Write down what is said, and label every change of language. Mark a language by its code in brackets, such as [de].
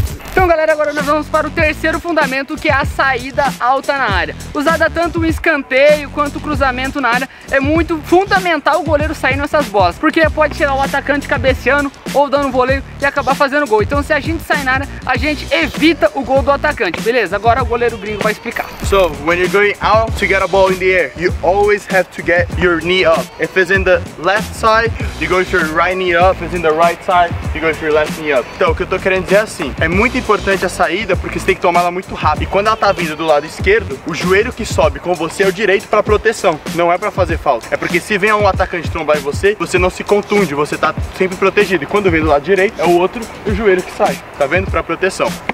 [pt] Então, galera, agora nós vamos para o terceiro fundamento, que é a saída alta na área. Usada tanto o escanteio quanto o cruzamento na área, é muito fundamental o goleiro sair nessas bolas, porque pode tirar o atacante cabeceando ou dando um voleio e acabar fazendo gol. Então, se a gente sair na área, a gente evita o gol do atacante, beleza? Agora o goleiro gringo vai explicar. [en] So, when you're going out to get a ball in the air, you always have to get your knee up. If it's in the left side, you go with your right knee up. If it's in the right side, you go with your left knee up. [pt] Então, o que eu tô querendo dizer é assim, é muito importante a saída, porque você tem que tomar ela muito rápido. E quando ela tá vindo do lado esquerdo, o joelho que sobe com você é o direito pra proteção, não é pra fazer falta. É porque se vem um atacante trombar em você, você não se contunde, você tá sempre protegido. E quando vem do lado direito, é o outro e o joelho que sai, tá vendo? Pra proteção.